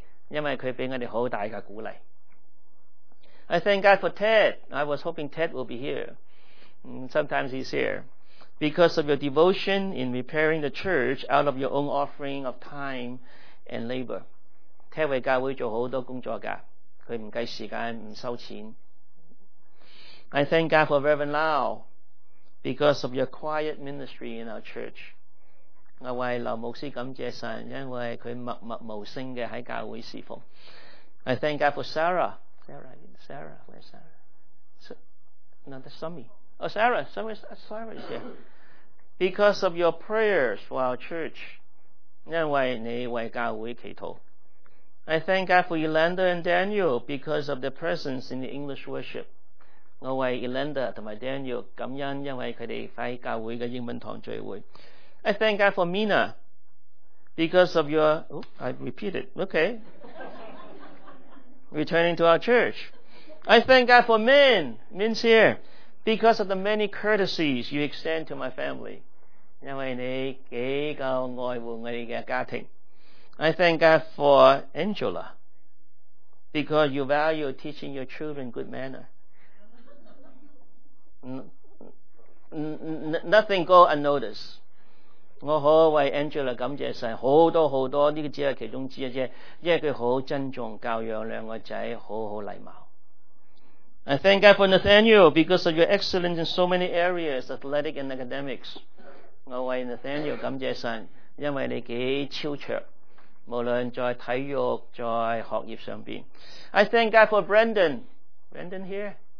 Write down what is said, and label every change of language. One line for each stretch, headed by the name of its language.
Chinese: 因为他给我们很大的鼓励。
English: I thank God for Ted. I was hoping Ted will be hereSometimes he's here because of your devotion in repairing the church out of your own offering of time and labor.
Chinese: Ted 为教会做好多工作的，他不计时间不收钱。
English: I thank God for Reverend Lau because of your quiet ministry in our church.
Chinese: 我为刘牧师感谢神，因为他默默无声的在教会侍奉。
English: I thank God for Sarah, where's Sarah? No, that's Sammy. Oh, Sarah, Sarah is here. Because of your prayers for our church.
Chinese: 因为你为教会祈祷。
English: I thank God for Yolanda and Daniel because of their presence in the English worship.
Chinese: 我为 Yolanda 和 Daniel 感恩，因为他们在教会的英文堂聚会。
English: I thank God for Mina because of your... Oh, I repeat it. Okay. Returning to our church. I thank God for Min. Min's here. Because of the many courtesies you extend to my family.
Chinese: 因为你几够爱护我们的家庭。
English: I thank God for Angela. Because you value teaching your children good manner. Nothing go unnoticed.
Chinese: 我好为 Angela 感谢神，好多好多，这个只是其中之一，因为她好珍重教养两个仔，好好礼貌。
English: I thank God for Nathaniel because of your excellence in so many areas, athletic and academics.
Chinese: 我为 Nathaniel 感谢神，因为你几超卓，无论在体育在学业上边。
English: I thank God for Brandon here.